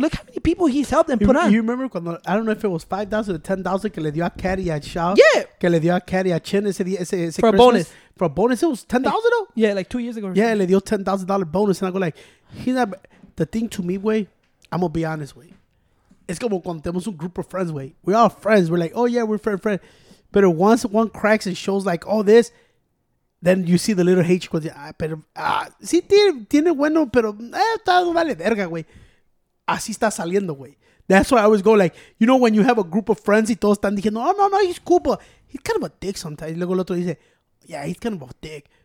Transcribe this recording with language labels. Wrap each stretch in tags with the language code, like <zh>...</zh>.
<en>Look how many people he's helped them put on. You remember, cuando, I don't know if it was 5,000 or 10,000</en> <es>que le dio a Kat y a Shaw.</es> <en>Yeah.</en> <es>Que le dio a Kat y a Chin ese</es> <en>for Christmas. A bonus. For a bonus, it was 10,000 like, though? Yeah, like 2 years ago.</en> <es>Yeah, le dio $10,000 bonus.</es> <en>And I go like, he's not, the thing to me, güey, I'm going to be honest, güey.</en> <es>Es como cuando tenemos un grupo</es> <en>of friends,</en> <es>güey.</es> <en>We're all friends. We're like, oh yeah, we're friend. But once one cracks and shows like, oh, this. Then you see the little H because</en> <es>sí tiene bueno, pero está vale verga, güey. Así está saliendo, güey.</es> <en>That's why I always go like, you know, when you have a group of friends</en> <es>y todos están diciendo,</es> <en>oh, no, he's cool, but he's kind of a dick sometimes.</en> <es>Y luego el otro dice,</es> <en>yeah, he's kind of a dick.</en>